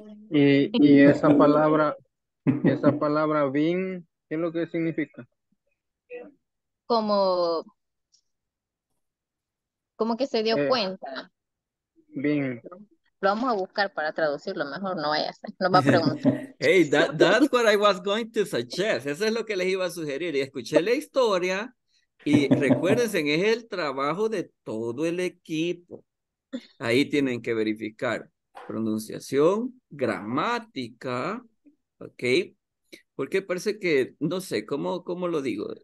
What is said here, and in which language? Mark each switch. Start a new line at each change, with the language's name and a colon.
Spanish: Y esa palabra, esa palabra bien, ¿qué es lo que significa? Como que se dio cuenta. Bien. Lo vamos a buscar para traducirlo, mejor no vaya a ser, no va a preguntar.
English: Hey, that's what I was going to suggest.
Spanish: Eso es lo que les iba a sugerir. Y escuché la historia y recuérdense, es el trabajo de todo el equipo. Ahí tienen que verificar pronunciación, gramática, ¿ok? Porque parece que, no sé, ¿cómo lo digo?